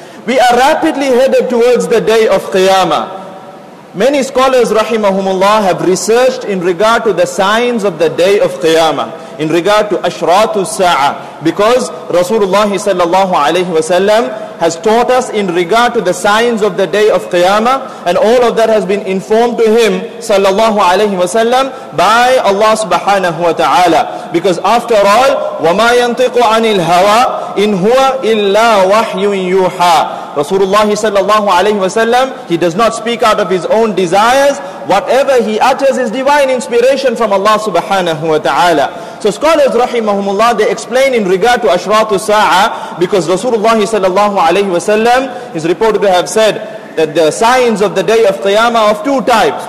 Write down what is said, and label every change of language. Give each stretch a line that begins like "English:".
English: We are rapidly headed towards the day of Qiyamah. Many scholars, rahimahumullah, have researched in regard to the signs of the day of Qiyamah, in regard to Ashratu Sa'ah, because Rasulullah sallallahu alayhi wa sallam has taught us in regard to the signs of the day of Qiyamah, and all of that has been informed to him sallallahu alayhi wa sallam by Allah subhanahu wa ta'ala. Because after all,
Arabic: وَمَا يَنْطِقُ عَنِ الْهَوَىٰ إِنْ هُوَ إِلَّا وَحْيٌ يُوحَىٰ.
English: Rasulullah sallallahu alayhi wa sallam, he does not speak out of his own desires. Whatever he utters is divine inspiration from Allah subhanahu wa ta'ala. So scholars, rahimahumullah, they explain in regard to Ashratu Sa'ah, because Rasulullah sallallahu alayhi wa sallam is reported to have said that the signs of the day of Qiyamah are of two types.